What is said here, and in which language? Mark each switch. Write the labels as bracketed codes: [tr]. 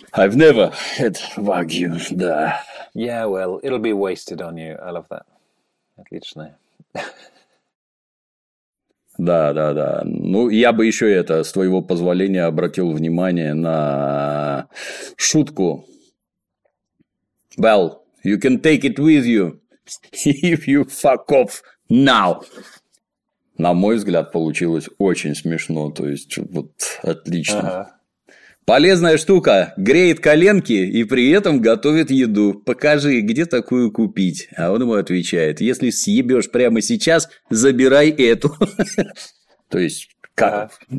[en] I've never had wagyu, да. Yeah, well, it'll be wasted on you. I love that. [ru] Отлично. Да, да, да. Ну, я бы еще это, с твоего позволения, обратил внимание на шутку. [en] Well, you can take it with you, if you fuck off now. [ru] На мой взгляд, получилось очень смешно. То есть, вот, отлично. Ага. Полезная штука. Греет коленки и при этом готовит еду. Покажи, где такую купить? А он ему отвечает. Если съебешь прямо сейчас, забирай эту. То есть, как?